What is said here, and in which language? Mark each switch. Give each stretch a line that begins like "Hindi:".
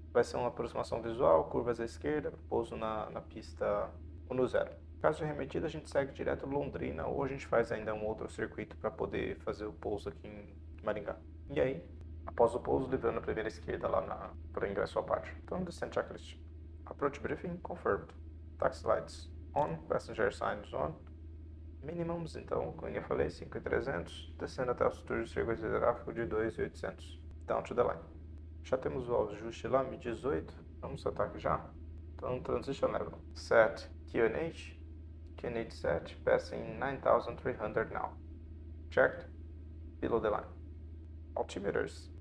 Portuguese: Vai ser uma aproximação visual, curvas à esquerda, pouso na pista 1 no 0. Caso de arremetida, a gente segue direto Londrina, ou a gente faz ainda um outro circuito para poder fazer o pouso aqui em Maringá. E aí, após o pouso, livrando a primeira esquerda lá na para ingresso à parte.
English: Então, descent checklist. Approach briefing confirmed. Taxi lights on, passenger signs on.
Portuguese: Minimums, então, como eu falei, 5.300, descendo até o altitude do circuito hidráfico de 2.800.
English: Down to the line.
Portuguese: Já temos o ajuste lá, 1.018. Vamos soltar aqui já.
English: Então, transition level. Set QNH. QNH set passing 9300 now. Checked. Below the line. Altimeters.